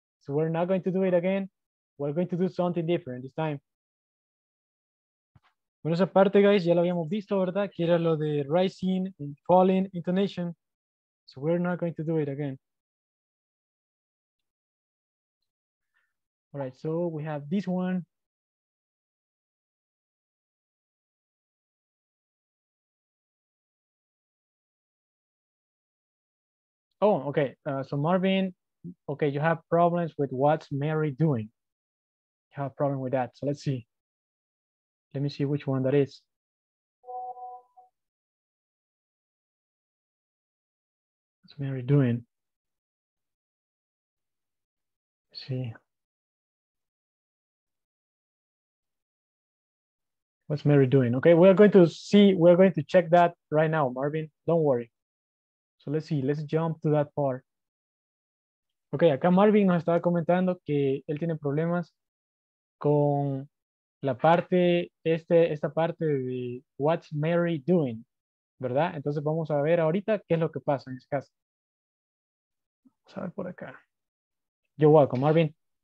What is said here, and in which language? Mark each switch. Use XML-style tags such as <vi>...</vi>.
<en>So we're not going to do it again. We're going to do something different this time.</en> <es>Bueno, esa parte, guys, ya lo habíamos visto, ¿verdad? Que era lo de</es> <en>rising and falling intonation. So we're not going to do it again. All right, so we have this one. Oh, okay. So Marvin, okay, you have problems with what's Mary doing. You have a problem with that. So let's see. Let me see which one that is. What's Mary doing? Let's see. What's Mary doing? Okay, we're going to check that right now, Marvin. Don't worry. So let's see, let's jump to that part.</en> <es>Okay, acá Marvin nos estaba comentando que él tiene problemas con la parte, esta parte de</es> <en>what's Mary doing,</en> <es>¿verdad? Entonces vamos a ver ahorita qué es lo que pasa en este caso. Vamos a ver por acá.</es> <en>You're welcome,</en> <es>Marvin.</es>